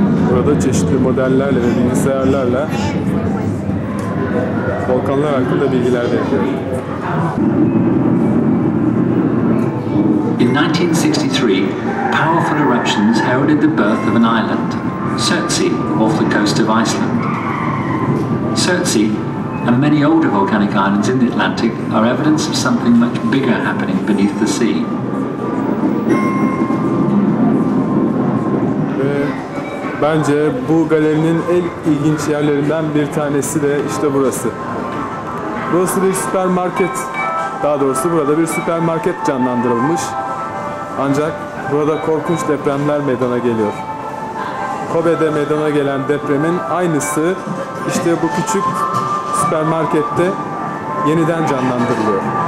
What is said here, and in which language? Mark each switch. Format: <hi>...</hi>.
<tr>Burada çeşitli modellerle ve bilgisayarlarla volkanlar hakkında bilgiler veriliyor.</tr> <en>In 1963, powerful eruptions heralded the birth of an island, Surtsey, off the coast of Iceland. Surtsey and many older volcanic islands in the Atlantic are evidence of something much bigger happening beneath the sea.</en> <tr>Ve bence bu galerinin en ilginç yerlerinden bir tanesi de işte burası. Burası bir süpermarket, daha doğrusu burada bir süpermarket canlandırılmış. Ancak burada korkunç depremler meydana geliyor. Kobe'de meydana gelen depremin aynısı işte bu küçük süpermarkette yeniden canlandırılıyor.</tr>